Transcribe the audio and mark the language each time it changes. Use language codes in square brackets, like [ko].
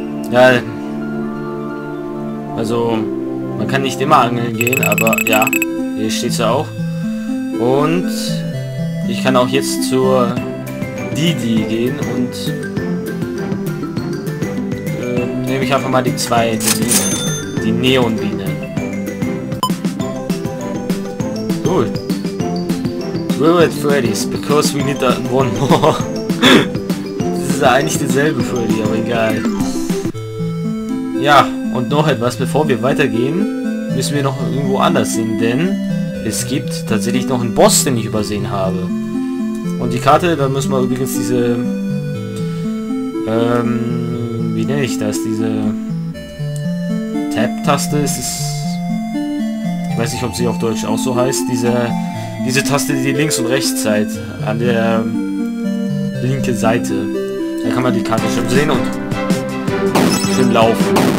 [de] Ja, also, man kann nicht immer angeln gehen, aber ja, hier steht's ja auch. Und ich kann auch jetzt zur Didi gehen und nehme ich einfach mal die zweite Biene, die Neonbiene. Cool. [en] We're at Freddy's, because we need one more. [de] Das ist ja eigentlich dieselbe Freddy, aber egal. Ja, und noch etwas, bevor wir weitergehen, müssen wir noch irgendwo anders sehen, denn es gibt tatsächlich noch einen Boss, den ich übersehen habe. Und die Karte, da müssen wir übrigens diese, wie nenne ich das, diese Tab-Taste, ist es, ich weiß nicht, ob sie auf Deutsch auch so heißt, diese Taste, die links und rechts zeigt, an der linken Seite, da kann man die Karte schon sehen und schön laufen.